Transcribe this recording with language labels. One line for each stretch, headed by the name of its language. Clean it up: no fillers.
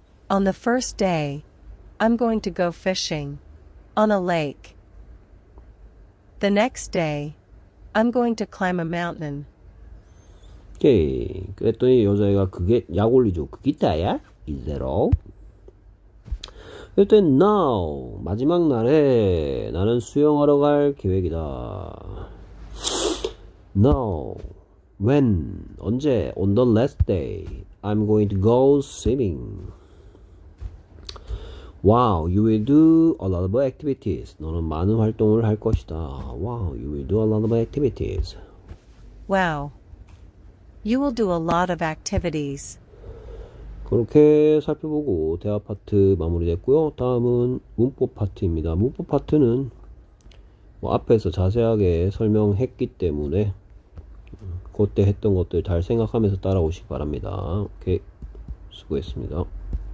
English: On the first day, I'm going to go fishing on a lake. The next day, I'm going to climb a mountain. Okay.
Korean: 그랬더니 여자애가 그게 약올리죠. 그게 다야?
English: Is that all?
Korean: 그랬더니 now, 마지막 날에 나는 수영하러 갈 계획이다.
English: Now, when, 언제, on the last day, I'm going to go swimming. Wow, you will do a lot of activities.
Korean: 너는 많은 활동을 할 것이다.
English: Wow, you will do a lot of activities. Wow, you will do a lot of activities.
Korean: 그렇게 살펴보고 대화 파트 마무리됐고요. 다음은 문법 파트입니다. 문법 파트는 뭐 앞에서 자세하게 설명했기 때문에 그때 했던 것들 잘 생각하면서 따라오시기 바랍니다. 오케이, 수고했습니다.